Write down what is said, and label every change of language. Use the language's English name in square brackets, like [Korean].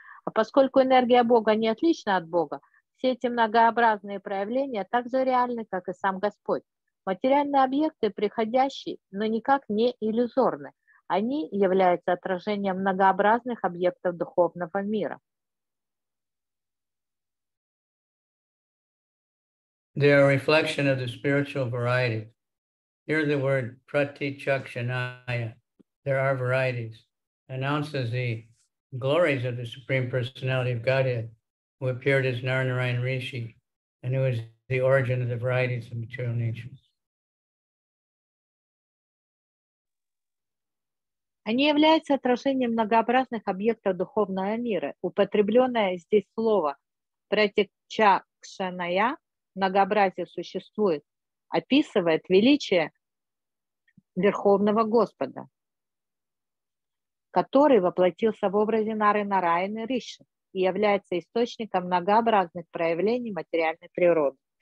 [Russian] А поскольку энергия Бога не отлична от Бога, все эти многообразные проявления так же реальны, как и сам Господь. Материальные объекты приходящие, но никак не иллюзорны. Они являются отражением многообразных объектов духовного мира. [English] They are a reflection of the spiritual variety. Here the word pratichakshanaya, there are varieties, announces the glories of the Supreme Personality of Godhead, who appeared as Narayan Rishi, and who is the origin of the varieties of material natures. [Russian] Они являются отражением многообразных объектов духовного мира. Употребленное здесь слово pratichakshanaya, многообразие существует, описывает величие Верховного Господа, который воплотился в образе Нары Нараяны Риши и является источником многообразных проявлений материальной природы.